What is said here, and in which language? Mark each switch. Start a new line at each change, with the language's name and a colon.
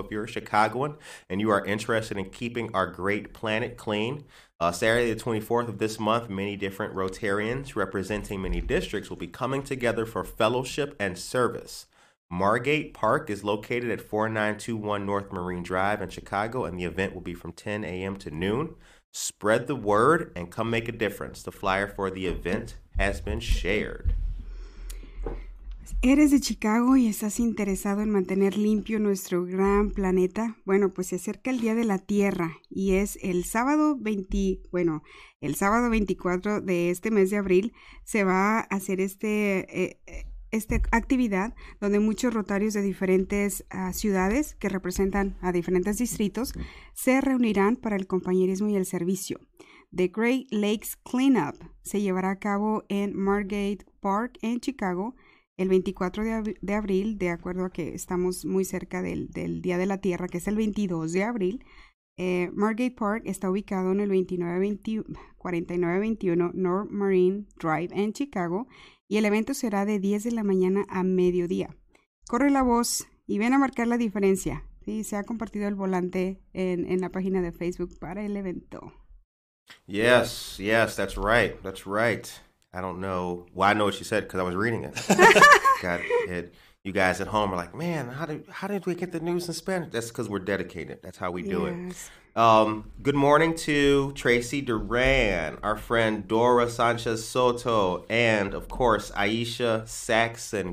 English: If you're a Chicagoan and you are interested in keeping our great planet clean, Saturday, the 24th of this month, many different Rotarians representing many districts will be coming together for fellowship and service. Margate Park is located at 4921 North Marine Drive in Chicago, and the event will be from 10 a.m. to noon. Spread the word and come make a difference. The flyer for the event has been shared.
Spanish: ¿Eres de Chicago y estás interesado en mantener limpio nuestro gran planeta? Bueno, pues se acerca el Día de la Tierra y es el sábado 20, bueno, el sábado 24 de este mes de abril se va a hacer esta actividad donde muchos rotarios de diferentes ciudades que representan a diferentes distritos se reunirán para el compañerismo y el servicio. The Great Lakes Cleanup se llevará a cabo en Margate Park en Chicago el 24 de abril, de acuerdo a que estamos muy cerca del Día de la Tierra, que es el 22 de abril. Margate Park está ubicado en el 4921 North Marine Drive en Chicago y el evento será de 10 de la mañana a mediodía. Corre la voz y ven a marcar la diferencia. Sí, se ha compartido el volante en la página de Facebook para el evento.
English: Yes, that's right. That's right. I don't know. Well, I know what she said because I was reading it. Got it. You guys at home are like, man, how did we get the news in Spanish? That's because we're dedicated. That's how we do it. Yes. Good morning to Tracy Duran, our friend Dora Sanchez Soto, and of course Aisha Saxon.